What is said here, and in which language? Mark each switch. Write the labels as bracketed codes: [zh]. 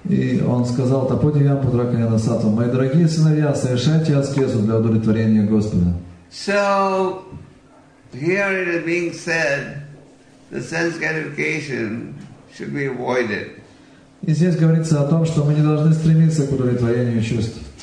[ru] И он сказал: "Мои дорогие сыновья, совершайте аскезу для удовлетворения Господа." [en] So here it is being said, the sense gratification should be avoided. [ru] И здесь говорится о том, что мы не должны стремиться к удовлетворению чувств.